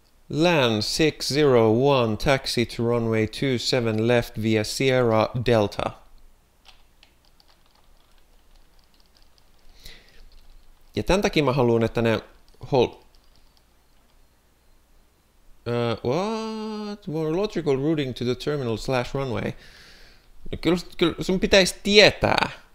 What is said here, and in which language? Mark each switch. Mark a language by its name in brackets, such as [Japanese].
[English] Land 601, taxi to runway 27 left via Sierra Delta. [Finnish] Ja tämän takia mä haluan, että ne... [English] what? More logical routing to the terminal / runway. [Finnish] Kyllä sun pitäisi tietää.